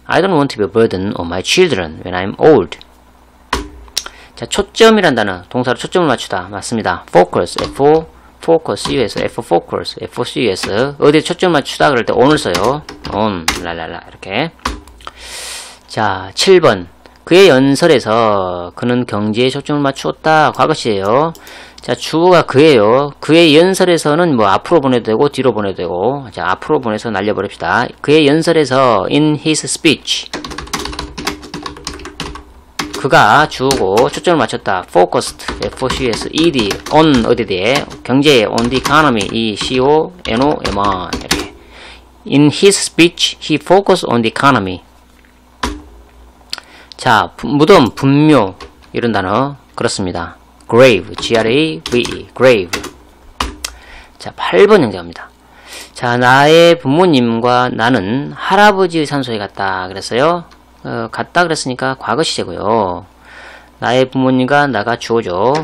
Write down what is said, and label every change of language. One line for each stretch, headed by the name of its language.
English: I don't want to be a burden on my children. When I'm old.
Korean: 자, 초점이란 단어, 동사로 초점을 맞추다. 맞습니다.
English: focus, F-O, focus, U-S, F-O, focus, F-O, C-U-S.
Korean: 어디에 초점을 맞추다 그럴 때 on을 써요. on, 랄랄라, 이렇게. 자, 7번. 그의 연설에서 그는 경제에 초점을 맞추었다. 과거시에요. 자, 주어가 그예요. 그의 연설에서는 뭐 앞으로 보내도 되고, 뒤로 보내도 되고. 자, 앞으로 보내서 날려버립시다. 그의 연설에서
English: in his speech.
Korean: 그가 주고 초점을 맞췄다.
English: focused, F-O-C-U-S-E-D, on,
Korean: 어디에 대해? 경제에,
English: on the economy, E-C-O-N-O-M-I, 이렇게. In his speech, he focused on the economy.
Korean: 자, 무덤, 분묘, 이런 단어, 그렇습니다.
English: grave, G-R-A-V-E, grave.
Korean: 자, 8번 영장입니다. 자, 나의 부모님과 나는 할아버지의 산소에 갔다, 그랬어요. 갔다 그랬으니까 과거 시제고요. 나의 부모님과 나가 주어죠.